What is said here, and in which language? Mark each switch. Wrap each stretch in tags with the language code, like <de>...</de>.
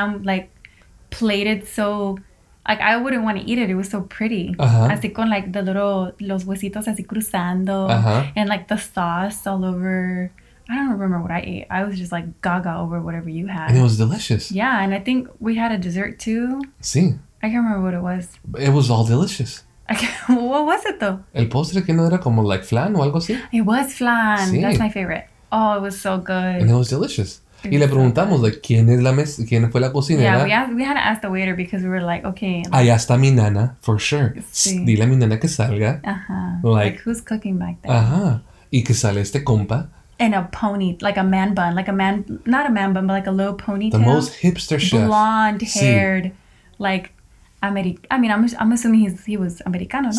<en>like, plated so... Like, I wouldn't want to eat it. It was so pretty. Uh-huh.</en> <es>Así con, like,</es> <en>the little...</en> <es>Los huesitos así cruzando. Uh-huh.</es> <en>And, like, the sauce all over... I don't remember what I ate. I was just, like, gaga over whatever you had. And it was delicious. Yeah, and I think we had a dessert, too.</en> <es>Sí.</es> <en>I can't remember what it was. It was all delicious. What was it though?</en> <es>El postre que no era como like flan o algo así.</es> <en>It was flan.</en> <es>Sí.</es> <en>That's my favorite. Oh, it was so good. And it was delicious.</en> <es>Y le preguntamos like quién fue la cocinera.</es> <en>Yeah, we had to ask the waiter because we were like, okay. Like,</en> <es>allá está mi nana</es> <en>for sure.</en> <es>Sí. Dile a mi nana que salga. Uh huh.</es> <en>Like who's cooking back there?</en> <es>Uh huh. Y que sale este compa.</es> <en>And a pony, like a man bun, like a man, not a man bun, but like a little ponytail. The most hipster chef. Blonde haired,</en> <es>sí.</es> <en>like. I'm assuming he was Americano, no?</en>